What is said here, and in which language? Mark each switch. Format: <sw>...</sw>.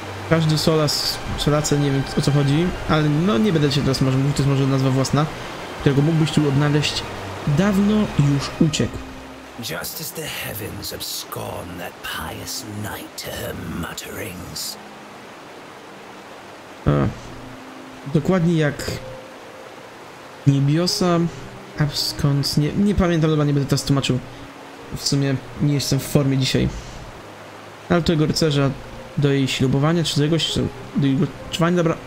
<pl>Każdy solas, solace, nie wiem o co chodzi, ale no nie będę się teraz może mówić, to jest może nazwa własna, którego mógłbyś tu odnaleźć, dawno już uciekł.</pl> <en>Just as the heavens have scorned that pious knight to her mutterings.</en> <pl>Dokładnie jak niebiosa. A skąd? Nie pamiętam, chyba nie będę teraz tłumaczył. W sumie nie jestem w formie dzisiaj. Ale tego rycerza do jej ślubowania, czy do jegoś, do jego trwania, dobra.</pl>